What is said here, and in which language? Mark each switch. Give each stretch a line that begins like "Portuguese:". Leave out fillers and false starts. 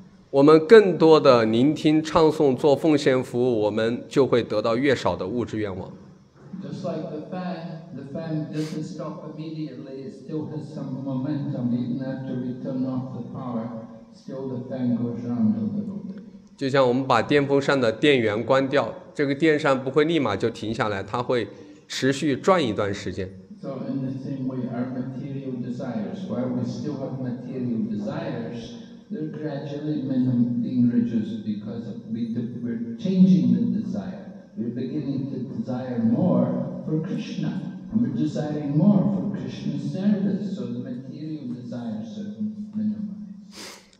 Chinese: 我们更多的聆听唱诵做奉献服务，我们就会得到越少的物质愿望。
English: Just like the fan doesn't stop immediately, it still has some momentum even after we turn off the power, still the fan goes round a little bit.
Chinese: 就像我们把电风扇的电源关掉，这个电扇不会立马就停下来，它会持续转一段时间。
English: So in the same way, our material desires, while we still have material desires, they're gradually being reduced because we're changing the desire. We're beginning to desire more for Krishna. And we're desiring more for Krishna's service, so the material desires are minimized.